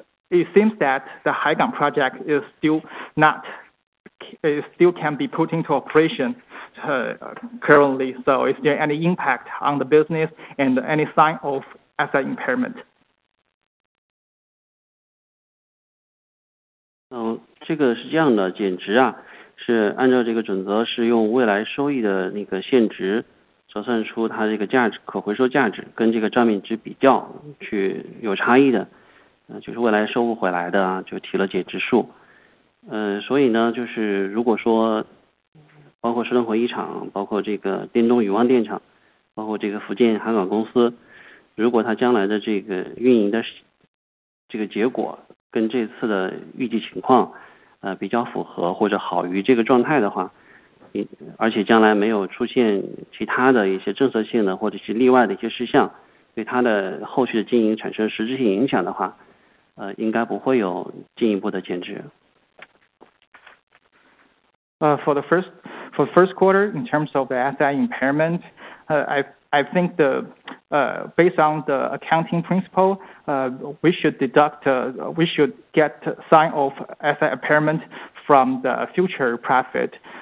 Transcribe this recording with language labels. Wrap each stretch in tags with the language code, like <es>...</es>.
<en>It seems that the Haigang project is still not it still can be put into operation currently. So is there any impact on the business and any sign of asset impairment?</en> <zh>这个是这样的，减值啊，是按照这个准则，是用未来收益的那个现值折算出它这个价值，可回收价值跟这个账面值比较去有差异的，就是未来收不回来的啊，就提了减值数。所以呢，就是如果说包括石龙河一厂，包括这个滇东永旺电厂，包括这个福建海港公司，如果它将来的这个运营的这个结果跟这次的预计情况，比较符合或者好于这个状态的话，而且将来没有出现其他的一些政策性的或者是例外的一些事项，对它的后续的经营产生实质性影响的话，应该不会有进一步的减值。</zh> <en>For first quarter, in terms of the asset impairment, I think the based on the accounting principle, we should deduct, we should get sign of asset impairment from the future profit.</en>